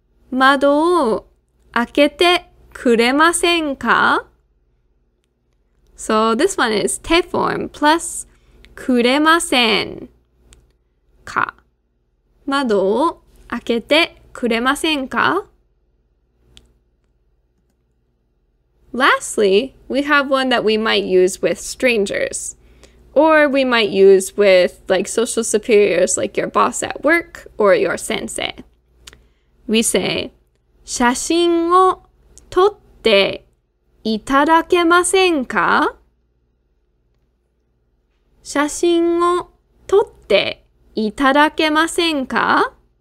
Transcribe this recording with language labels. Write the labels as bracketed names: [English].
[Japanese] 窓を開けてくれませんか? [English] So, this one is te form plus [Japanese] くれませんか? 窓を 開けてくれませんか? [English] Lastly, we have one that we might use with strangers. Or we might use with like social superiors like your boss at work or your sensei. We say, [Japanese] 写真を撮っていただけませんか? 写真を撮っていただけませんか?